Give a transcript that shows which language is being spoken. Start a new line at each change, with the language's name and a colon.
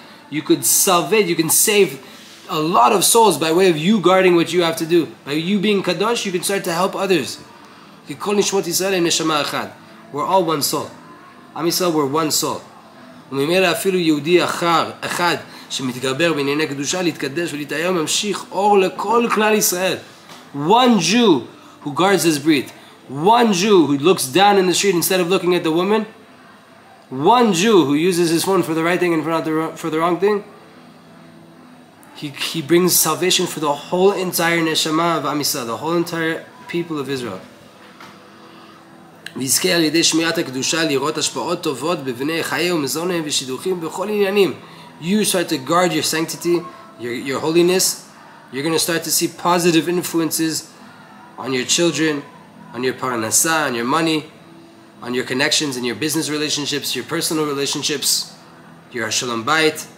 English: You could salvage, you can save a lot of souls by way of you guarding what you have to do. By you being kadosh, you can start to help others. We're all one soul. Am Yisrael, we're one soul.
Hebrew: וממילא אפילו יהודי אחר אחד שמתגבר בענייני קדושה להתקדש ולהתאיר ממשיך אור לכל כלל ישראל.
English: One Jew who guards his breath, one Jew who looks down in the street instead of looking at the woman, one Jew who uses his phone for the right thing and for the wrong thing, he brings salvation for the whole entire neshama of Am Yisrael, the whole entire people of Israel.
Hebrew: ויזכה על ידי שמירת הקדושה לראות השפעות טובות בבני חיי ומזונה ושידוחים בכל עניינים.
English: You start to guard your sanctity, your holiness. You're going to start to see positive influences on your children, on your parnasa, on your money, on your connections and your business relationships, your personal relationships, your shalom bayit.